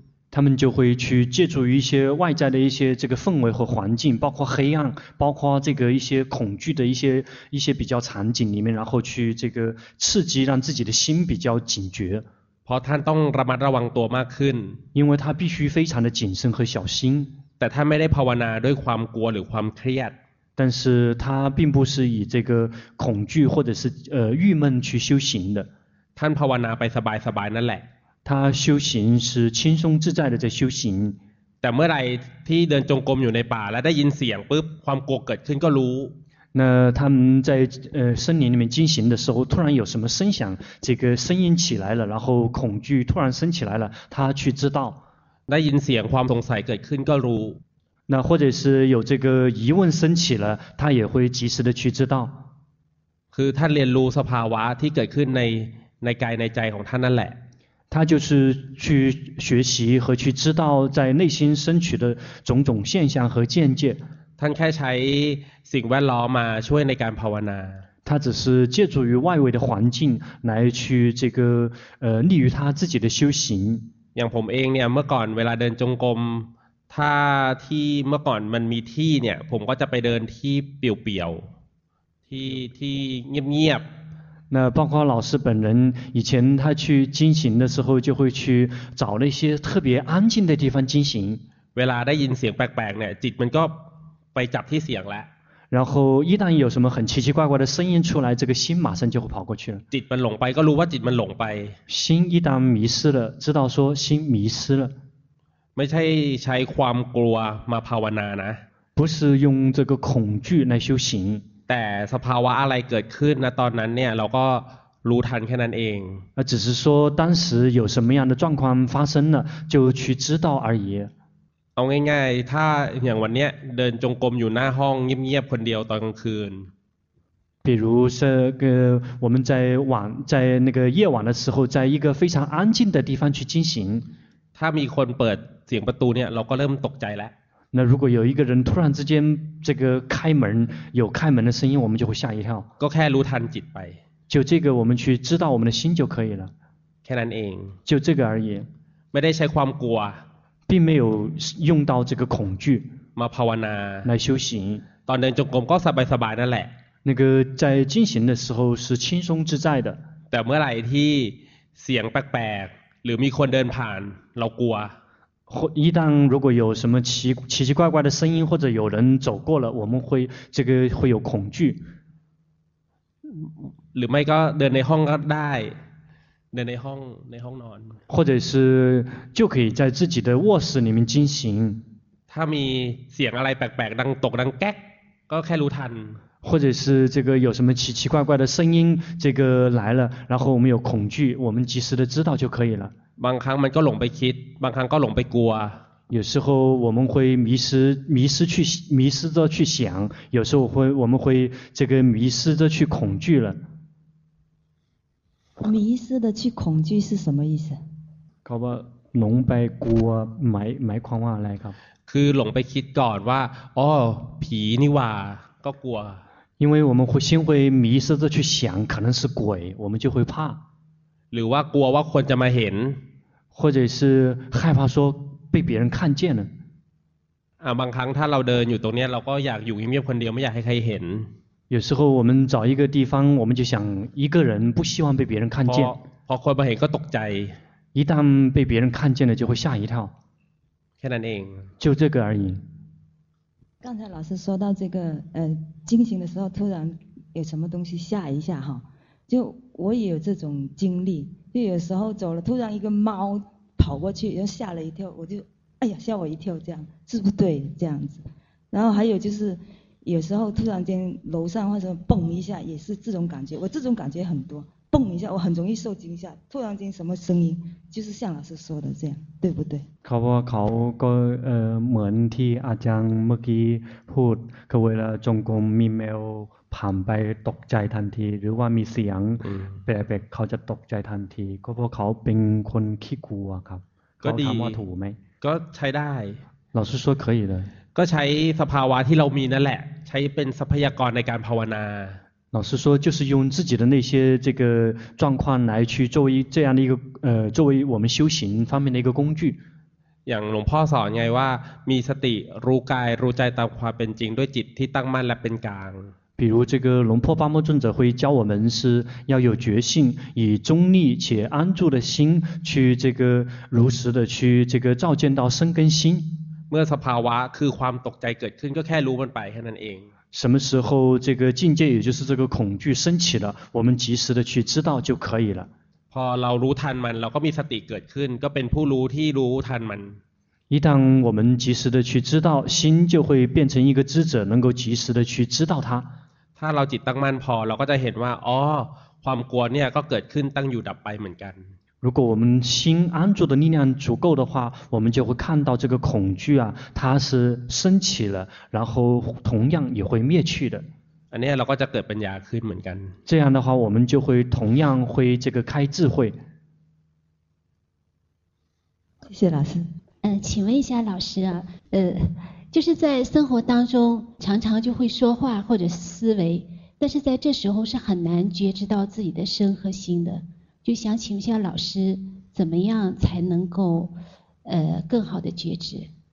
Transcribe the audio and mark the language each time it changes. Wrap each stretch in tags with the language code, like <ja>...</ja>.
<zh>他们就会去借助于一些外在的一些这个氛围和环境包括黑暗包括这个一些恐惧的一些比较场景里面然后去这个刺激让自己的心比较警觉</zh> <th>เพราะท่านต้องระมัดระวังตัวมากขึ้น</th> <zh>因为他必须非常的谨慎和小心</zh> <th>แต่ท่านไม่ได้ภาวนาด้วยความกลัวหรือความเครียด</th> <zh>但是他并不是以这个恐惧或者是郁闷去修行的</zh> <th>ท่านภาวนาไปสบายสบายนั่นแหละ</th> <zh>他修行是轻松自在的在修行</zh> <th>แต่เมื่อไรที่เดินจงกรมอยู่ในป่าแล้วได้ยินเสียงปุ๊บความกลัวเกิดขึ้นก็รู้</th> <zh>那他们在森林里面进行的时候突然有什么声响这个声音起来了然后恐惧突然升起来了他去知道</zh> <th>ได้ยินเสียงความสงสัยเกิดขึ้นก็รู้</th> <zh>那或者是有这个疑问升起了他也会及时的去知道</zh> <th>คือท่านเรียนรู้สภาวะที่เกิดขึ้นในกายในใจของท่านนั่นแหละ</th> <zh>他就是去学习和去知道在内心升起的种种现象和见解他开始</zh> <th>สิ่งแวดล้อมมาช่วยในการภาวนา</th> <zh>他只是借助于外围的环境来去这个利于他自己的修行</zh> <th>อย่างผมเองเนี่ยเมื่อก่อนเวลาเดินจงกรมถ้าที่เมื่อก่อนมันมีที่เนี่ยผมก็จะไปเดินที่เปี่ยวๆที่เงียบๆ</th> <zh>那包括老师本人以前他去进行的时候就会去找那些特别安静的地方进行</zh> <th>เวลาได้ยินเสียงแปลกๆเนี่ยจิตมันก็ไปจับที่เสียงแล้ว</th> <zh>然后一旦有什么很奇奇怪怪的声音出来这个心马上就会跑过去了</zh> <th>จิตมันหลงไปก็รู้ว่าจิตมันหลงไป</th> <zh>心一旦迷失了知道说心迷失了</zh> <th>ไม่ใช่ใช้ความกลัวมาภาวนานะ</th> <zh>不是用这个恐惧来修行</zh> <th>แต่สภาวะอะไรเกิดขึ้นนะตอนนั้นเนี่ยเราก็รู้ทันแค่นั้นเอง</th> <zh>只是说当时有什么样的状况发生了就去知道而已</zh> <th>เอาง่ายๆถ้าอย่างวันเนี้ยเดินจงกรมอยู่หน้าห้องเงียบๆคนเดียวตอนกลางคืน</th> <zh>比如这个我们在晚在那个夜晚的时候在一个非常安静的地方去进行</zh> <th>ถ้ามีคนเปิดเสียงประตูเนี่ยเราก็เริ่มตกใจแล้ว</th> <zh>那如果有一个人突然之间这个开门有开门的声音我们就会吓一跳</zh> <th>ก็แค่รู้ทันจิตไป</th> <zh>就这个我们去知道我们的心就可以了</zh> <th>แค่นั้นเอง</th> <zh>就这个而已</zh> <th>ไม่ได้ใช้ความกลัว</th> <zh>并没有用到这个恐惧</zh> <th>มาภาวนา</th> <zh>来修行</zh> <th>ตอนเดินจงกรมก็สบายสบายนั่นแหละ</th> <zh>那个在进行的时候是轻松自在的</zh> <th>แต่เมื่อไหร่ที่เสียงแปลกๆหรือมีคนเดินผ่านเรากลัว</th> <zh>一旦如果有什么奇怪怪的声音或者有人走过了我们会这个会有恐惧</zh> <th>หรือไม่ก็เดินในห้องก็ได้เดินในห้องนอน</th> <zh>或者是就可以在自己的卧室里面进行</zh> <th>ถ้ามีเสียงอะไรแปลกๆดังตกดังแก๊กก็แค่รู้ทัน</th> <zh>或者是这个有什么奇怪怪的声音这个来了然后我们有恐惧我们及时的知道就可以了</zh> <th>บางครั้งมันก็หลงไปคิดบางครั้งก็หลงไปกลัว</th> <zh>有时候我们会迷失着去想有时候我们会这个迷失着去恐惧了迷失的去恐惧是什么意思</zh> <th>ครับว่าหลงไปกลัวหมายความว่าอะไรครับ คือหลงไปคิดก่อนว่าอ๋อผีนี่ว่าก็กลัว</th> <zh>因为我们会先会迷失着去想可能是鬼我们就会怕</zh> <th>หรือว่ากลัวว่าคนจะมาเห็น</th> <zh>或者是害怕说被别人看见了</zh> <th>บางครั้งถ้าเราเดินอยู่ตรงนี้เราก็อยากอยู่เงียบๆคนเดียวไม่อยากให้ใครเห็น</th> <zh>有时候我们找一个地方我们就想一个人不希望被别人看见</zh> <th>พอคนมาเห็นก็ตกใจ</th> <zh>一旦被别人看见了就会吓一跳</zh> <th>แค่นั้นเอง</th> <zh>就这个而已刚才老师说到这个进行的时候突然有什么东西吓一下哈就我也有这种经历就有时候走了突然一个猫跑过去又吓了一跳我就哎呀吓我一跳这样是不对这样子然后还有就是有时候突然间楼上或者蹦一下也是这种感觉我这种感觉很多蹦一下我很容易受惊吓突然间什么声音就是像老师说的这样对不对</zh> <th>เขาบอกเขาก็เหมือนที่อาจารย์เมื่อกี้พูดก็เวลาจงกรมมีแมวผ่านไปตกใจทันทีหรือว่ามีเสียงแปลกๆเขาจะตกใจทันทีก็เพราะเขาเป็นคนขี้กลัวครับก็ดีถามว่าถูกไหม ก็ใช้ได้</th> <zh>老师说可以的</zh> <th>ก็ใช้สภาวะที่เรามีนั่นแหละใช้เป็นทรัพยากรในการภาวนา</th> <zh>老师说就是用自己的那些这个状况来去作为这样的一个作为我们修行方面的一个工具</zh> <th>อย่างหลวงพ่อสอนไงว่ามีสติรู้กายรู้ใจตามความเป็นจริงด้วยจิตที่ตั้งมั่นและเป็นกลาง</th> <zh>比如这个龙婆巴木尊者会教我们是要有觉性以中立且安住的心去这个如实的去这个照见到生根心</zh> <th>เมื่อสภาวะคือความตกใจเกิดขึ้นก็แค่รู้มันไปแค่นั้นเอง</th> <zh>什么时候这个境界也就是这个恐惧升起了我们及时的去知道就可以了</zh> <th>พอเรารู้ทันมันเราก็มีสติเกิดขึ้นก็เป็นผู้รู้ที่รู้ทันมัน</th> <zh>一旦我们及时的去知道心就会变成一个知者能够及时的去知道它</zh> <th>ถ้าเราจิตตั้งมั่นพอเราก็จะเห็นว่าอ๋อความกลัวเนี่ยก็เกิดขึ้นตั้งอยู่ดับไปเหมือนกัน</th> <zh>如果我们心安住的力量足够的话我们就会看到这个恐惧啊它是升起了然后同样也会灭去的</zh> <th>อันนี้เราก็จะเกิดปัญญาขึ้นเหมือนกัน</th> <zh>这样的话我们就会同样会这个开智慧谢谢老师请问一下老师啊就是在生活当中常常就会说话或者思维但是在这时候是很难觉知到自己的身和心的就想请问一下老师怎么样才能够更好的觉知</zh>